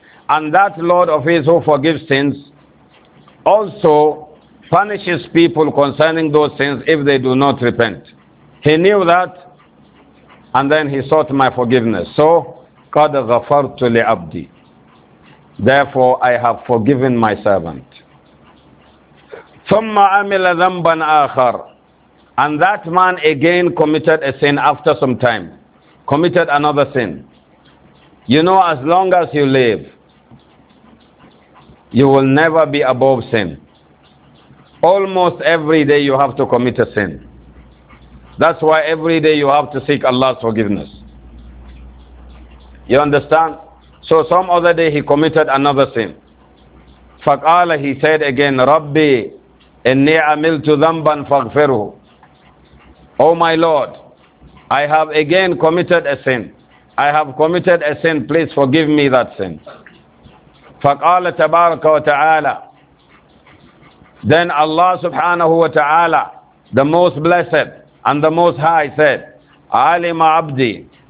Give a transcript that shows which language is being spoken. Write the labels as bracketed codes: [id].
[en] And that Lord of his who forgives sins also punishes people concerning those sins if they do not repent. He knew that, and then he sought my forgiveness. [ar] So, قَدْ غَفَرْتُ لِعَبْدِي. [en] Therefore, I have forgiven my servant. [ar] ثُمَّ عَمِلَ ذَنْبًا آخَرٌ. [en] And that man again committed a sin after some time. Committed another sin. You know, as long as you live, you will never be above sin. Almost every day you have to commit a sin. That's why every day you have to seek Allah's forgiveness. You understand? So some other day he committed another sin. [ar] فَقَالَ, [en] he said again, [ar] رَبِّي إِنِّي عَمِلْتُ ذَنْبًا فَاغْفِرُهُ. [en] Oh my Lord, I have again committed a sin. I have committed a sin. Please forgive me that sin. [ar] فَقَالَ تَبَارَكَ وَتَعَالَى. [en] Then Allah subhanahu wa ta'ala, the most blessed and the most high, said, [ar] عَلِمَ عَبْدِي.